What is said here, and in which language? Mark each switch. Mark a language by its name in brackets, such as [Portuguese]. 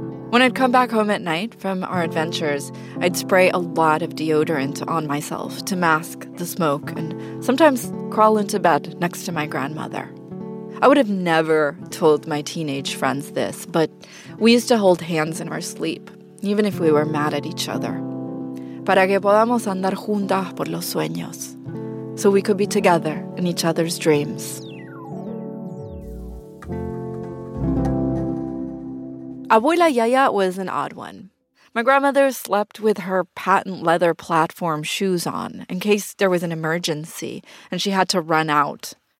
[English] When I'd come back home at night from our adventures, I'd spray a lot of deodorant on myself to mask the smoke and sometimes crawl into bed next to my grandmother. I would have never told my teenage friends this, but we used to hold hands in our sleep, even if we were mad at each other. [Spanish] Para que podamos andar juntas por los sueños. [English] So we could be together in each other's dreams. Abuela Yaya was an odd one. My grandmother slept with her patent leather platform shoes on in case there was an emergency and she had to run out.